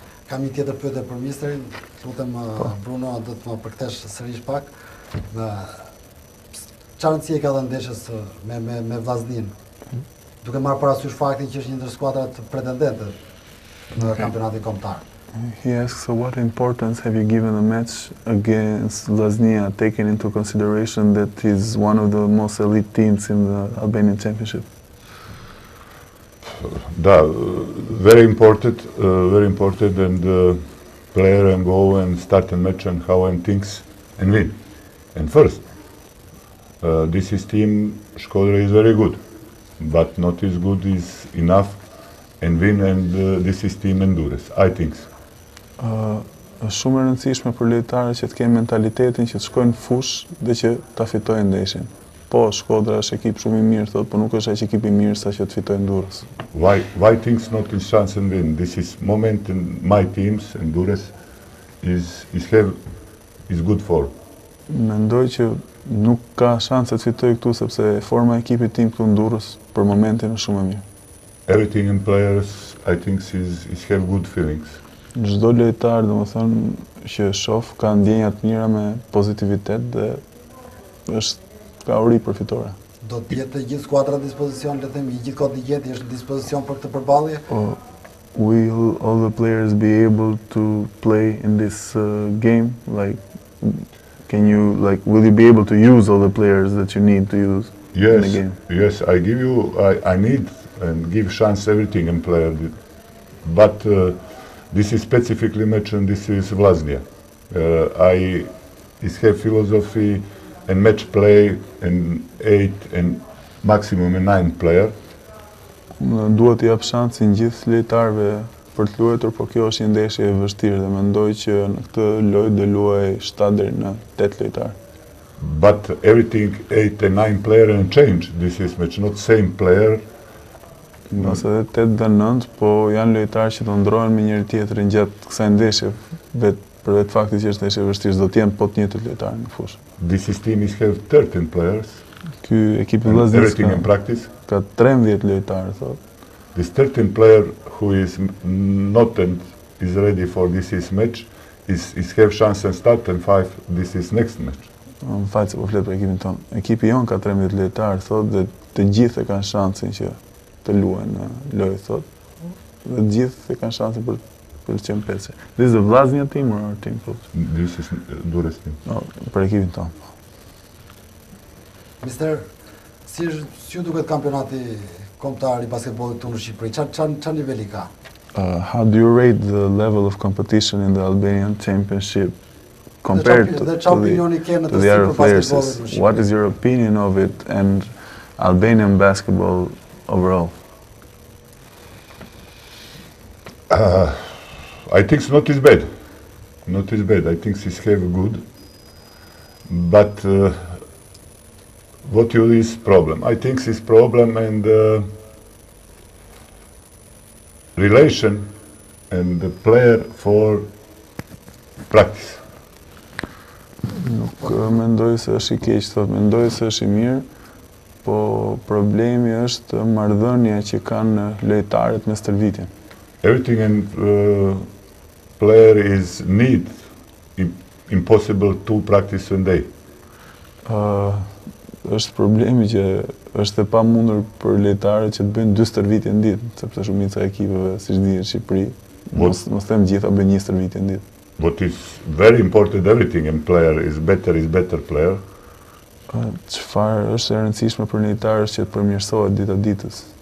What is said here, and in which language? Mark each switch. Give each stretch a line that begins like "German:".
Albanian: Kam një tjetër pyetje për misterin. Lutem Bruno, do të më përkthesh sërish pak. Çfarë rëndësie ka dhënë ndeshës me Vllaznin? Duke marrë parasysh faktin që është një ndër skuadrat pretendente në kampionatin kombëtar.
English: He asks, so what importance have you given the match against Vllaznia, taking into consideration that he's one of the most elite teams in the Albanian Championship? Da, very important, and the player and go and start a match and how I'm thinks and win. And first, this is team, Shkodra is very good, but not as good is enough and win, and this is team endurance, I think.
Albanian: Shumë e rëndësishme për lojtarë që të kemë mentalitetin që të shkojnë fush dhe që të fitojnë ndeshin. Po, Shkodra është ekip shumë i mirë, thot, po nuk është e ekip i mirë sa që të fitojnë Endurës.
English: Why things not in chance and win? This is moment in my teams, Endurës, is good for.
Albanian: Mendoj që nuk ka shanse të fitoj këtu, sepse forma ekipit tim këtu Endurës për momentin është shumë e mirë.
English: Everything in players, I think, is have good feelings.
Albanian: Çdo lojtar, domethënë, që shoh ka ndjenja të mira me pozitivitet dhe është ka uri për fitore. Do të jetë gjithë skuadra në dispozicion, le të themi, gjithë kohë gjetje është në dispozicion për këtë përballje.
English: Will all the players be able to play in this game? Like, will you be able to use all the players that you need to use? Yes, in the game? Yes, I give you, I need and give chance everything in player, but this is specifically match and this is Vllaznia. I have philosophy and match play and 8 and maximum and 9 player.
Albanian: Duhet t'i jap shancin gjithë lojtarëve për të luajtur, por kjo është një ndeshje e vështirë dhe mendoj që në këtë lojë do luaj 7 deri në 8 lojtarë.
English: But everything 8 and 9 player and change. This is match, not same player.
Albanian: Nëse edhe 8 dhe 9, po janë lojtarë që të ndrohen me njëri tjetërin gjatë kësaj ndeshje, për vetë faktit që është ndeshje vështirë, do t'jenë po të njëtë lojtarë në fushë.
English: This team is have 13 players.
Albanian: Ky ekipi Vllaznisë
English: everything in practice.
Albanian: Ka 13 lojtarë, thot.
English: This 13 player who is not and is ready for this is match, is have chance and start and 5, this is next match.
Albanian: Më falë që po fletë për ekipin tonë. Ekipi jonë ka 13 lojtarë, thot, dhe të gjithë e kanë shancin që të luajnë në lojë, thot. Dhe të gjithë e kanë shancin për të qenë pesë.
English: This is the Vllaznia team or our team, thot? This is Durrës team.
Albanian: No, për ekipin tonë. Mister, si ju duket kampionati kombëtar i basketbollit tonë në Shqipëri? Çfarë niveli ka?
English: How do you rate the level of competition in the Albanian Championship? Compared to the other players, what is your opinion of it and Albanian basketball overall? I think it's not as bad. Not as bad. I think it's have good. But what is problem? I think it's problem and relation and the player for practice.
Albanian: Nuk mendoj se është i keq, thot, mendoj se është i mirë, po problemi është marrëdhënia që kanë lojtarët me stërvitjen.
English: Everything and player is need impossible to practice one day.
Albanian: Është problemi që është e pamundur për lojtarët që të bëjnë dy stërvitje në ditë, sepse shumica e ekipeve, siç dihet në Shqipëri, mos them gjitha bëjnë një stërvitje në ditë.
English: What is very important, everything in player is better player.
Albanian: çfarë është e rëndësishme për nitarës që të përmirësohet dita ditës?